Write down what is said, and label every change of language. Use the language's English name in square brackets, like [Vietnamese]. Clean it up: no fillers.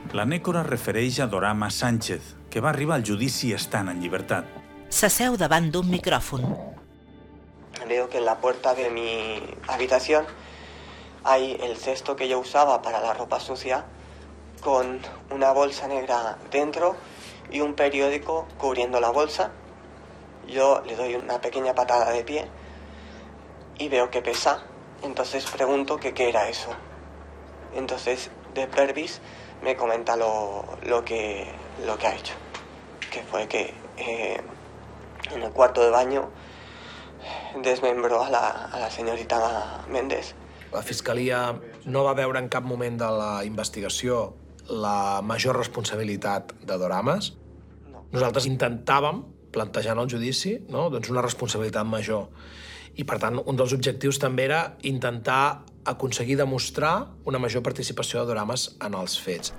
[Catalan] La nècora refereix a Dorama Sánchez, que va arribar al judici estant en llibertat. S'asseu davant d'un micròfon. [Spanish] Veo que en la puerta de mi habitación hay el cesto que yo usaba para la ropa sucia con una bolsa negra dentro y un periódico cubriendo la bolsa. Yo le doy una pequeña patada de pie y veo que pesa. Entonces pregunto que qué era eso. Entonces, de Pervis me comenta lo que ha hecho, que fue que en el cuarto de baño desmembró a la señorita Méndez. [Catalan] La fiscalia no va veure en cap moment de la investigació la major responsabilitat de Doramas. Nosaltres intentàvem, plantejant el judici, no? Doncs una responsabilitat major. I, per tant, un dels objectius també era intentar aconseguir demostrar una major participació de Doramas en els fets.